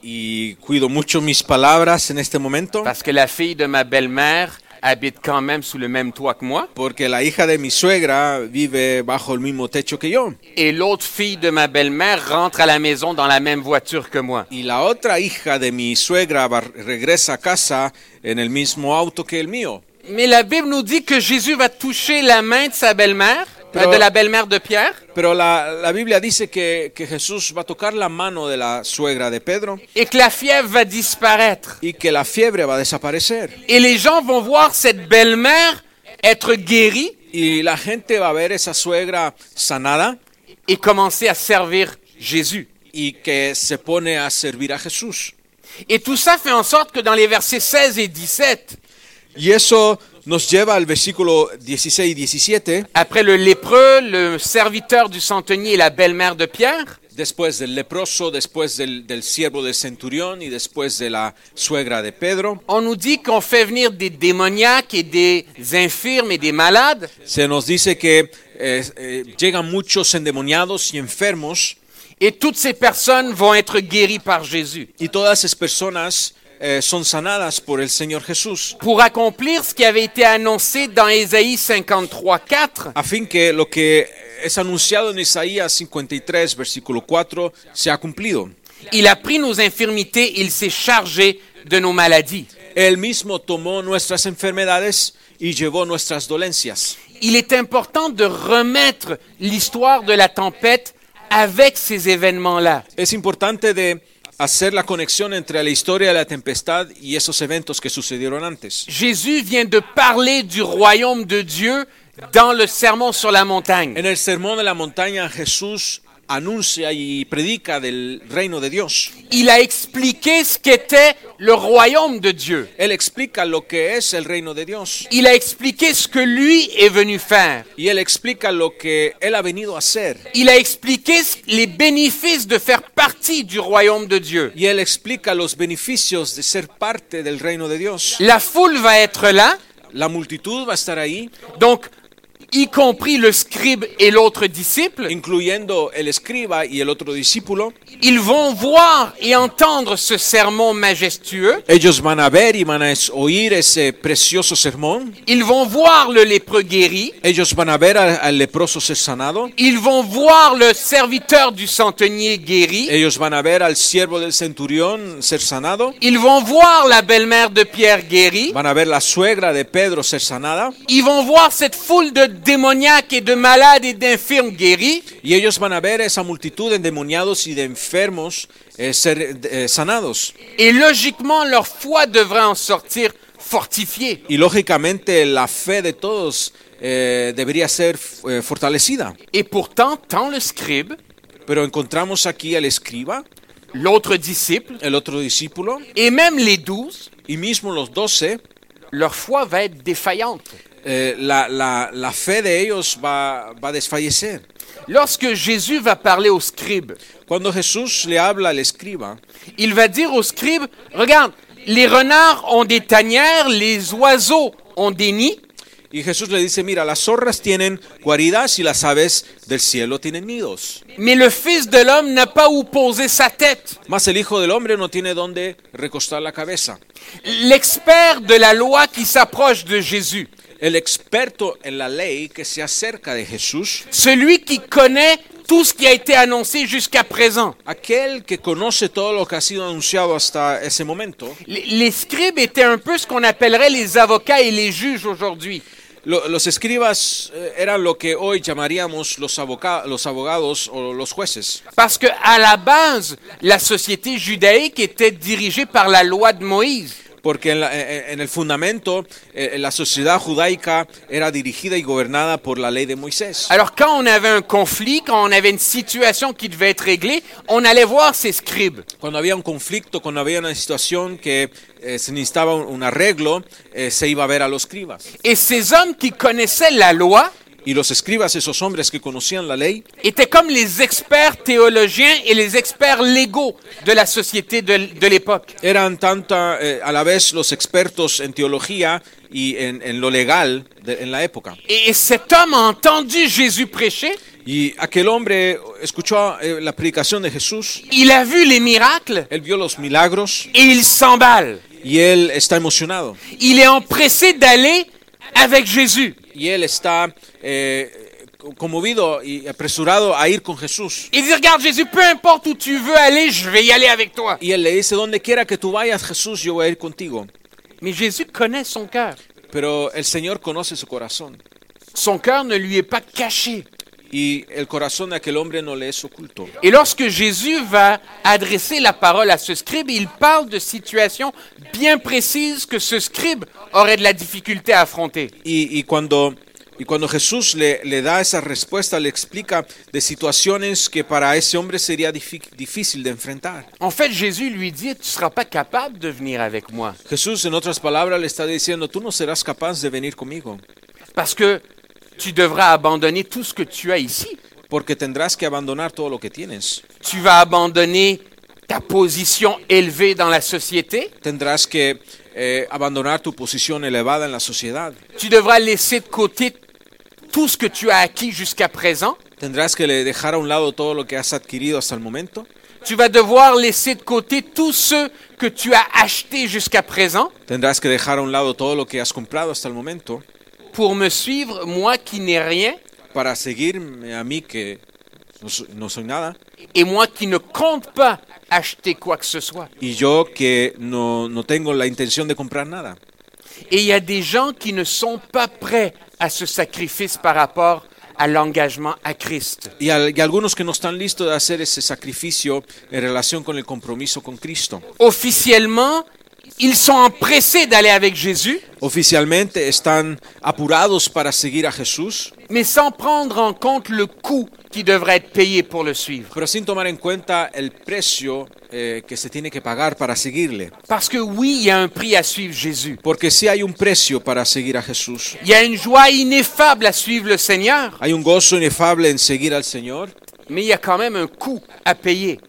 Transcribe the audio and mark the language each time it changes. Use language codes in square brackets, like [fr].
[es] Y cuido mucho mis palabras en este momento. [fr] Parce que la fille de ma belle-mère habite quand même sous le même toit que moi. [es] Porque la hija de mi suegra vive bajo el mismo techo que yo. [fr] Et l'autre fille de ma belle-mère rentre à la maison dans la même voiture que moi. [es] Y la otra hija de mi suegra regresa a casa en el mismo auto que el mío. [fr] Mais la Bible nous dit que Jésus va toucher la main de sa belle-mère, de la belle-mère de Pierre. [es] Pero la Biblia dice que Jesús va a tocar la mano de la suegra de Pedro. [fr] Et que la fièvre va disparaître. [es] Y que la fiebre va a desaparecer. [fr] Et les gens vont voir cette belle-mère être guérie. [es] Y la gente va a ver esa suegra sanada. [fr] Et commencer à servir Jésus. [es] Y que se pone a servir a Jesús. [fr] Et tout ça fait en sorte que dans les versets 16 et 17. [es] Y eso nos lleva al versículo 16 y 17. [fr] Après le lépreux, le serviteur du centenier et la belle-mère de Pierre. [es] Después del leproso, después del siervo del centurión y después de la suegra de Pedro. [fr] On nous dit qu'on fait venir des démoniaques et des infirmes et des malades. [es] Se nos dice que llegan muchos endemoniados y enfermos. [fr] Et toutes ces personnes vont être guéries par Jésus. [es] Y todas esas personas son sanadas por el Señor Jesús. [fr] Pour accomplir ce qui avait été annoncé dans Ésaïe 53:4. [es] Afin que lo que es anunciado en Isaías 53 versículo 4 sea cumplido. [fr] Il a pris nos infirmités, il s'est chargé de nos maladies. [es] Él mismo tomó nuestras enfermedades y llevó nuestras dolencias. [fr] Il est important de remettre l'histoire de la tempête avec ces événements-là. [es] Es importante de hacer la conexión entre la historia de la tempestad y esos eventos que sucedieron antes. [fr] Jésus vient de parler du royaume de Dieu dans le sermón sur la montagne. [es] En el sermón de la montaña, Jesús anuncia y predica del reino de Dios. [fr] Il a expliqué ce qu'était le royaume de Dieu. [es] Él explica lo que es el reino de Dios. [fr] Il a expliqué ce que lui est venu faire. [es] Y él explica lo que él ha venido a hacer. [fr] Il a expliqué les bénéfices de faire partie du royaume de Dieu. [es] Y él explica los beneficios de ser parte del reino de Dios. [fr] La foule va être là. [es] La multitud va a estar ahí. [fr] Donc y compris le scribe et l'autre disciple, [es] incluyendo el escriba y el otro discípulo, [fr] ils vont voir et entendre ce sermon majestueux. [es] Ellos van a ver y van a oír ese precioso sermón. [fr] Ils vont voir le lépreux guéri. [es] Ellos van a ver al leproso ser sanado. [fr] Ils vont voir le serviteur du centenier guéri. [es] Ellos van a ver al siervo del centurión ser sanado. [fr] Ils vont voir la belle-mère de Pierre guéri. [es] Van a ver la suegra de Pedro ser sanada. [fr] Ils vont voir cette foule de démoniaques et de malades et d'infirmes guéris. [es] Y ellos van a ver esa multitud de endemoniados y de enfermos ser sanados. [fr] Et logiquement leur foi devrait en sortir fortifiée. [es] Y lógicamente la fe de todos debería ser fortalecida. [fr] Et pourtant tant le scribe, [es] pero encontramos aquí al escriba, [fr] l'autre disciple, [es] el otro discípulo, [fr] et même les 12, [es] y mismo los 12, [fr] leur foi va être défaillante. [es] La fe de ellos va a desfallecer. [fr] Lorsque Jésus va parler au scribe, [es] cuando Jesús le habla al escriba, [fr] il va dire au scribe, regarde, les renards ont des tanières, les oiseaux ont des nids. [es] Y Jesús le dice, mira, las zorras tienen guaridas y las aves del cielo tienen nidos. [fr] Mais le fils de l'homme n'a pas où poser sa tête. [es] Mas el hijo del hombre no tiene dónde recostar la cabeza. [fr] L'expert de la loi qui s'approche de Jésus. [es] El experto en la ley que se acerca de Jesús. [fr] Celui qui connaît tout ce qui a été annoncé jusqu'à présent. [es] Aquel que conoce todo lo que ha sido anunciado hasta ese momento. [fr] Les scribes étaient un peu ce qu'on appellerait les avocats et les juges aujourd'hui. [es] Los escribas eran lo que hoy llamaríamos los abogados o los jueces. [fr] Parce que à la base, la société judaïque était dirigée par la loi de Moïse. [es] Porque en el fundamento, la sociedad judaica era dirigida y gobernada por la ley de Moisés. [fr] Alors, quand on avait un conflit, quand on avait une situation qui devait être réglée, on allait voir ces scribes. [es] Cuando había un conflicto, cuando había una situación que se necesitaba un arreglo, se iba a ver a los escribas. [fr] Et ces hommes qui connaissaient la loi, [es] y los escribas, esos hombres que conocían la ley, [fr] étaient comme les experts théologiens et les experts légaux de la société de l'époque. [es] Eran tanto a la vez los expertos en teología y en lo legal en la época. [fr] Et cet homme a entendu Jésus prêcher. [es] Y aquel hombre escuchó la predicación de Jesús. [fr] Il a vu les miracles. [es] Él vio los milagros. [fr] Et il s'emballe. [es] Y él está emocionado. [fr] Il est empressé d'aller avec Jésus. [es] Y él está conmovido y apresurado a ir con Jesús. [fr] Il dit, regarde Jésus, peu importe où tu veux aller, je vais y aller avec toi. [es] Y él le dice, donde quiera que tú vayas, Jesús, yo voy a ir contigo. [fr] Mais Jésus connaît son cœur. [es] Pero el Señor conoce su corazón. [fr] Son cœur ne lui est pas caché. [es] Y el corazón de aquel hombre no le es oculto. [fr] Et lorsque Jésus va adresser la parole à ce scribe, il parle de situations bien précises que ce scribe aurait de la difficulté à affronter. [es] Y cuando Jesús le da esa respuesta, le explica de situaciones que para ese hombre sería difícil de enfrentar. [fr] En fait, Jésus lui dit, tu seras pas capable de venir avec moi. [es] Jesús, en otras palabras, le está diciendo, tú no serás capaz de venir conmigo. [fr] Parce que tu devras abandonner tout ce que tu as ici. [es] Porque tendrás que abandonar todo lo que tienes. [fr] Tu vas abandonner ta position élevée dans la société. [es] Tendrás que abandonar tu posición elevada en la sociedad. [fr] Tu devras laisser de côté tout ce que tu as acquis jusqu'à présent. [es] Tendrás que le dejar a un lado todo lo que has adquirido hasta el momento. [fr] Tu vas devoir laisser de côté tous ceux que tu as achetés jusqu'à présent. [es] Tendrás que dejar a un lado todo lo que has comprado hasta el momento. [fr] Pour me suivre, moi qui n'ai rien. [es] Para seguirme a mí que no soy nada. [fr] Et moi qui ne compte pas acheter quoi que ce soit. [es] Y yo que no tengo la intención de comprar nada. [fr] Et il y a des gens qui ne sont pas prêts à ce sacrifice par rapport à l'engagement à Christ. [es] Y algunos que no están listos de hacer ese sacrificio en relación con el compromiso con Cristo. [fr] Officiellement, ils sont empressés d'aller avec Jésus. [es] Oficialmente están apurados para seguir a Jesús. [fr] Mais sans prendre en compte le coût qui devrait être payé pour le suivre. [es] Pero sin tomar en cuenta el precio que se tiene que pagar para seguirle. [fr] Parce que oui, il y a un prix à suivre Jésus. [es] Porque sí hay un precio para seguir a Jesús. [fr] Il y a une joie ineffable à suivre le Seigneur. [es] Hay un gozo inefable en seguir al Señor. [fr] Mais il y a quand même un coût à payer.